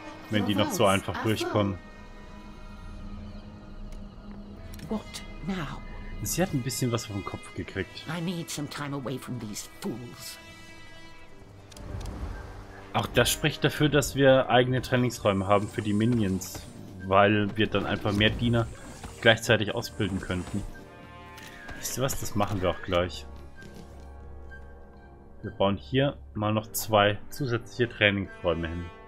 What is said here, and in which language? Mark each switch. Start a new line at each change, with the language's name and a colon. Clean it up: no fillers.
German: Wenn die noch so einfach durchkommen.
English: What now?
German: Sie hat ein bisschen was vom Kopf gekriegt.
English: I need some time away from these fools.
German: Auch das spricht dafür, dass wir eigene Trainingsräume haben für die Minions, weil wir dann einfach mehr Diener gleichzeitig ausbilden könnten. Wisst ihr was? Das machen wir auch gleich. Wir bauen hier mal noch zwei zusätzliche Trainingsräume hin.